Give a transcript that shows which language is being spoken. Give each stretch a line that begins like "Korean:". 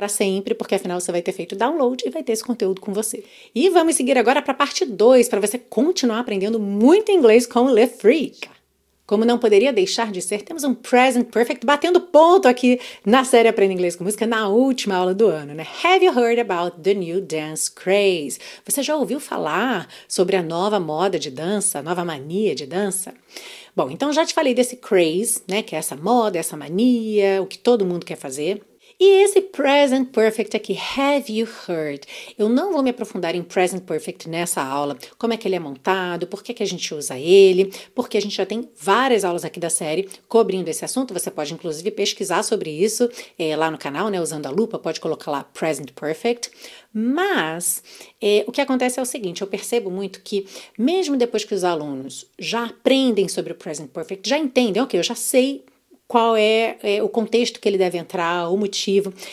Portuguese: Pra sempre, porque afinal você vai ter feito download e vai ter esse conteúdo com você. E vamos seguir agora pra parte 2, pra você continuar aprendendo muito inglês com o LeFreak. Como não poderia deixar de ser, temos um present perfect batendo ponto aqui na série Aprenda Inglês com Música na última aula do ano, né?
English: Have you heard about the new dance craze?
Portuguese: Você já ouviu falar sobre a nova moda de dança, a nova mania de dança? Bom, então já te falei desse craze, né? Que é essa moda, essa mania, o que todo mundo quer fazer. E esse present perfect aqui,
English: have you heard?
Portuguese: Eu não vou me aprofundar em present perfect nessa aula. Como é que ele é montado, por que que a gente usa ele, porque a gente já tem várias aulas aqui da série cobrindo esse assunto. Você pode, inclusive, pesquisar sobre isso lá no canal, né, usando a lupa, pode colocar lá present perfect. Mas o que acontece é o seguinte, eu percebo muito que mesmo depois que os alunos já aprendem sobre o present perfect, já entendem, ok, eu já sei qual é o contexto que ele deve entrar, o motivo.